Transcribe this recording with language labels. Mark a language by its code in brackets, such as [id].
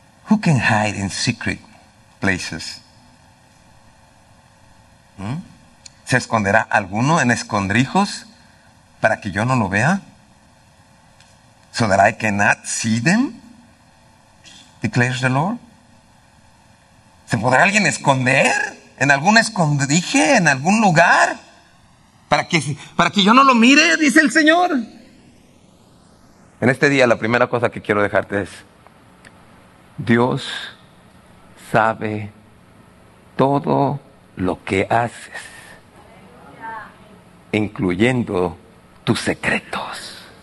[en] Who can hide in secret places? [es] ¿Se esconderá alguno en escondrijos para que yo no lo vea? [en] So that I cannot see them? Declares the Lord. [es] ¿Se podrá alguien esconder en algún escondrije, en algún lugar? ¿Para que yo no lo mire? Dice el Señor. En este día, la primera cosa que quiero dejarte es, Dios sabe todo lo que haces, incluyendo tus secretos.